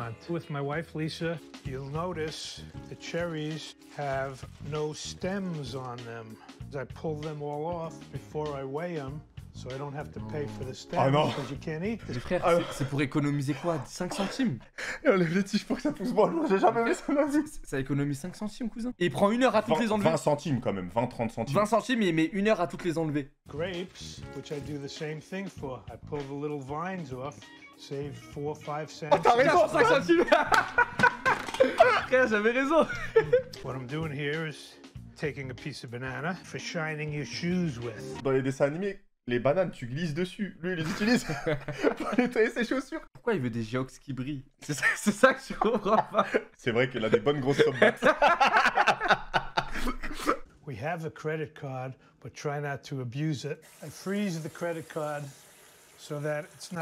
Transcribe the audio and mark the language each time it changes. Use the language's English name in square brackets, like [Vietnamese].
[English] With my wife Lisa, you'll notice the cherries have no stems on them. I pull them all off before I weigh them, so I don't have to pay for the stems. [French] Ah non. [English] Because you can't eat. [French] Mais frère, ah c'est pour économiser quoi? 5 centimes. Et enlève les tiges pour que ça pousse pas. Bon, j'ai jamais vu ça ma vie. Ça économise 5 centimes, cousin. Et il prend une heure à toutes les enlever. 20 centimes quand même, 20-30 centimes. 20 centimes, mais il met une heure à toutes les enlever. [English] Grapes, which I do the same thing for. I pull the little vines off, save 4 or 5 cents. [French] Oh, t'as raison, 5 centimes. Frère, j'avais raison. [English] What I'm doing here is taking a piece of banana for shining your shoes with. [French] Dans les dessins animés, les bananes, tu glisses dessus. Lui, il les utilise pour nettoyer ses chaussures. Pourquoi il veut des geox qui brillent? C'est ça que tu comprends pas. C'est vrai qu'il a des bonnes grosses sommes. [English] We have a credit card, but try not to abuse it. I freeze the credit card so that it's not